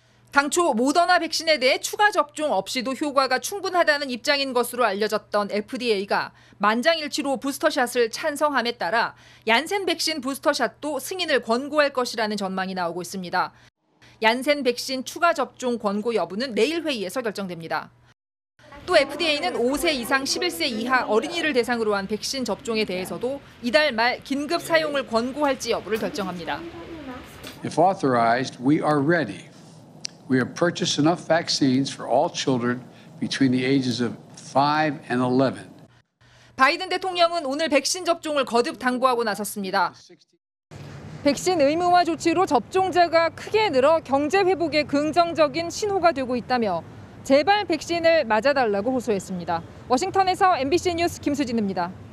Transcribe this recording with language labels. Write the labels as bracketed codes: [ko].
[ko] 당초 모더나 백신에 대해 추가 접종 없이도 효과가 충분하다는 입장인 것으로 알려졌던 FDA가 만장일치로 부스터샷을 찬성함에 따라 얀센 백신 부스터샷도 승인을 권고할 것이라는 전망이 나오고 있습니다. 얀센 백신 추가 접종 권고 여부는 내일 회의에서 결정됩니다. 또 FDA는 5세 이상 11세 이하 어린이를 대상으로 한 백신 접종에 대해서도 이달 말 긴급 사용을 권고할지 여부를 결정합니다. [en] If authorized, we are ready. We have purchased enough vaccines for all children between the ages of 5 and 11. [ko] 바이든 대통령은 오늘 백신 접종을 거듭 당부하고 나섰습니다. 백신 의무화 조치로 접종자가 크게 늘어 경제 회복에 긍정적인 신호가 되고 있다며 제발 백신을 맞아달라고 호소했습니다. 워싱턴에서 MBC 뉴스 김수진입니다.